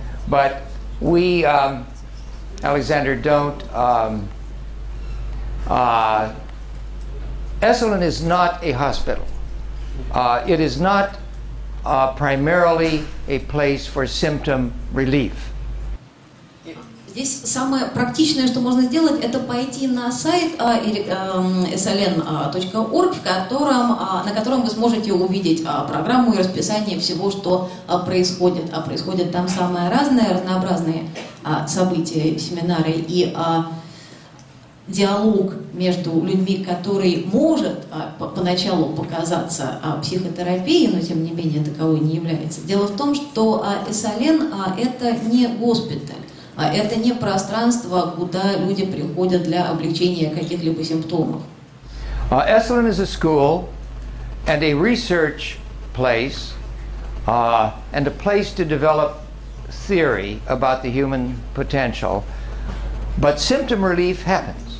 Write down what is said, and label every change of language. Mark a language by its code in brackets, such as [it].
[en] But we, Alexander, don't. Esalen is not a hospital. It is not primarily a place for symptom relief. [ru] Здесь самое практичное, что можно сделать, это пойти на сайт esalen.org, на котором вы сможете увидеть программу и расписание всего, что происходит. А происходит там самые разные, разнообразные события, семинары и диалог между людьми, который может поначалу показаться психотерапией, но тем не менее таковой не является. Дело в том, что Эссален это не госпиталь, это не пространство, куда люди приходят для облегчения каких-либо симптомов. [en] Эссален is a school and a research place and a place to develop theory about the human potential, but symptom relief happens.